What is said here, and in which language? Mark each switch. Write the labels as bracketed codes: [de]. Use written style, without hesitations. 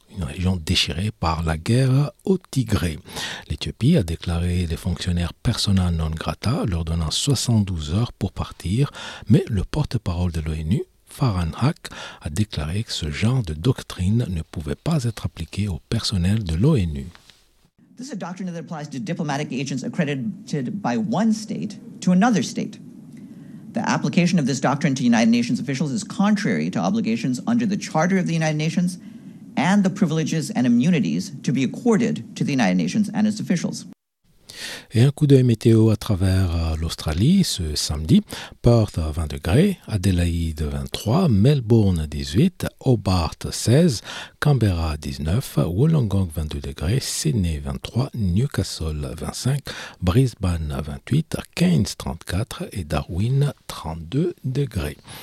[fr] Une région déchirée par la guerre au Tigré. L'Éthiopie a déclaré les fonctionnaires persona non grata, leur donnant 72 heures pour partir, mais le porte-parole de l'ONU, Farhan Haq, a déclaré que ce genre de doctrine ne pouvait pas être appliqué au personnel de l'ONU. [en] This is a doctrine that applies to diplomatic agents accredited by one state to another state. The application of this doctrine to United Nations officials is contrary to obligations under the Charter of the United Nations and the privileges and immunities to be accorded to the United Nations and its officials. [fr] Et un coup d'œil météo à travers l'Australie ce samedi. Perth 20 degrés, Adélaïde 23, Melbourne 18, Hobart 16, Canberra 19, Wollongong 22 degrés, Sydney 23, Newcastle 25, Brisbane 28, Cairns 34 et Darwin 32 degrés.